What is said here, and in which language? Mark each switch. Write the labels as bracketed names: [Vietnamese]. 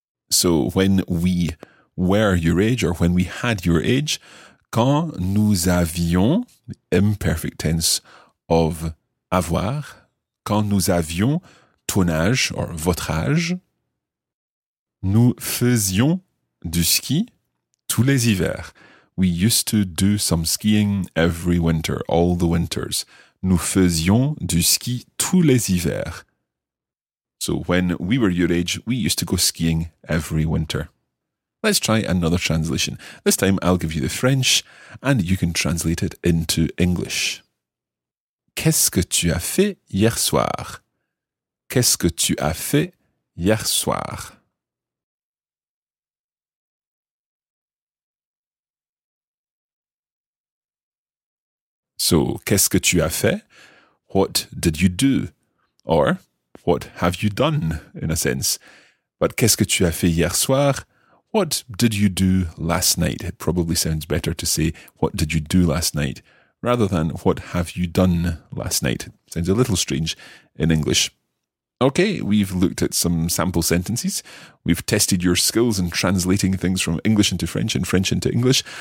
[English] So, when we were your age, [French] or when we had your age, quand nous avions, [English] imperfect tense of [French] avoir, quand nous avions ton âge, or votre âge, nous faisions du ski tous les hivers. [English] We used to do some skiing every winter, all the winters. [French] Nous faisions du ski tous les hivers. [English] So when we were your age, we used to go skiing every winter. Let's try another translation. This time I'll give you the French and you can translate it into English. [French] Qu'est-ce que tu as fait hier soir? Qu'est-ce que tu as fait hier soir? So, qu'est-ce que tu as fait? [English] What did you do? Or, what have you done, in a sense? [French] But qu'est-ce que tu as fait hier soir? [English] What did you do last night? It probably sounds better to say, what did you do last night? Rather than, what have you done last night? Sounds a little strange in English. Okay, we've looked at some sample sentences. We've tested your skills in translating things from English into French and French into English.